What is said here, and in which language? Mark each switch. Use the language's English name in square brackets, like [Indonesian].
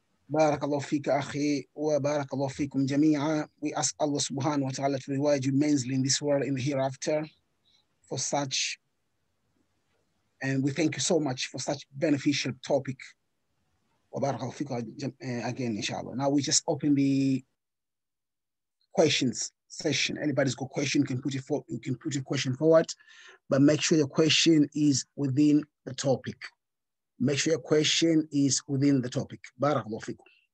[Arabic] بارك الله فيك أخي وبارك الله فيكم جميعا. [English] We ask Allah subhanahu wa ta'ala to reward you immensely in this world and hereafter for such, and we thank you so much for such beneficial topic. [Arabic] وبارك الله فيك [English] again [Arabic] inshallah. [English] Now we just open the questions session. Anybody's got a question, you can put your question forward, but make sure your question is within the topic. Make sure your question is within the topic. [Arabic] Barakallahu fikum.